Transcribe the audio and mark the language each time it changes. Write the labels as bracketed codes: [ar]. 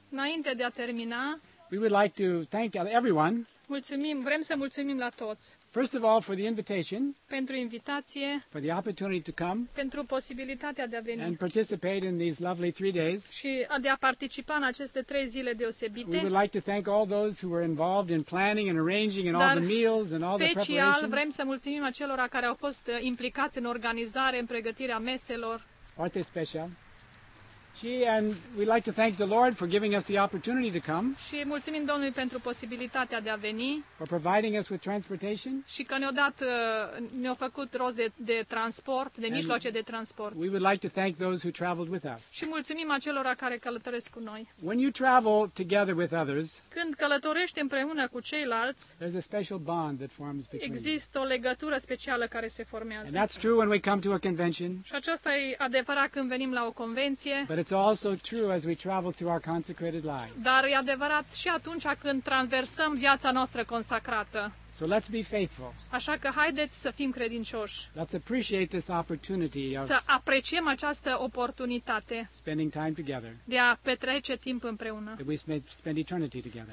[ro] Înainte de a termina. [en] We would like to thank everyone. [ro] Mulțumim, vrem să mulțumim la toți. [en] First of all, for the invitation. [ro] Pentru invitație. [en] For the opportunity to come. [ro] Pentru posibilitatea de a veni. [en] And participate in these lovely 3 days. [ro] Și de a participa în aceste 3 zile deosebite. [en] We would like to thank all those who were involved in planning and arranging and all the meals and all the preparations. [ro] Special vrem să mulțumim acelora care au fost implicați în organizare, în pregătirea meselor. Foarte special. [en] And we'd like to thank the Lord for giving us the opportunity to come. [ro] Și mulțumim Domnului pentru posibilitatea de a veni. [en] For providing us with transportation. [ro] Și că ne-a făcut rost de transport, de mijloace de transport. [en] We would like to thank those who traveled with us. [ro] Și mulțumim acelora care călătoresc cu noi. [en] When you travel together with others. [ro] Când călătorești împreună cu ceilalți. [en] There's a special bond that forms between. [ro] Există o legătură specială care se formează. [en] And that's true when we come to a convention. [ro] Și aceasta e adevărat când venim la o convenție. [en] But It's also true as we travel through our consecrated lives. [ro] Dar e adevărat și atunci când traversăm viața noastră consacrată. [en] So let's be faithful. [ro] Așa că haideți să fim credincioși. [en] Let's appreciate this opportunity. [ro] Să apreciem această oportunitate. [en] Spending time together. [ro] De a petrece timp împreună. [en] That we may spend eternity together.